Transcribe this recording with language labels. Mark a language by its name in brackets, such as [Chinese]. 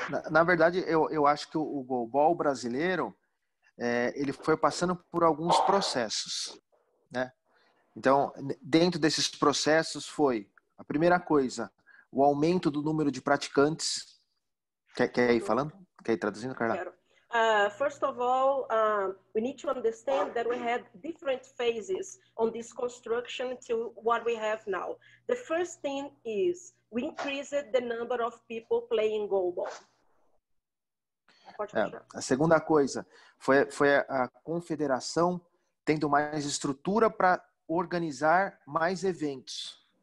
[Portuguese] Na verdade, eu acho que o goalball brasileiro, ele foi passando por alguns processos, né? Então, dentro desses processos foi, a primeira coisa, o aumento do número de praticantes. Quer ir falando? Quer ir traduzindo, Carla? [English] First of all, we need to understand that we had different phases on this construction to what we have now. The first thing is, we increased the number of people playing goalball. [Portuguese] A segunda coisa foi a confederação tendo mais estrutura para organizar mais eventos.